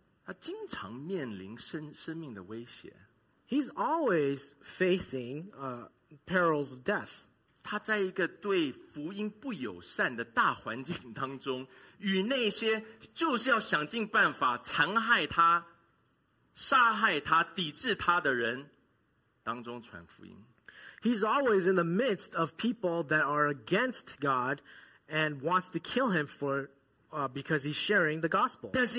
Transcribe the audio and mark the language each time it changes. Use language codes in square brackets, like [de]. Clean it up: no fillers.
[zh] 他经常面临生命的威胁。 [en] He's always facing perils of death. [zh] 他在一个对福音不友善的大环境当中, 与那些就是要想尽办法残害他, 杀害他, 抵制他的人, 当中传福音。 [en] He's always in the midst of people that are against God and wants to kill him for because he's sharing the gospel.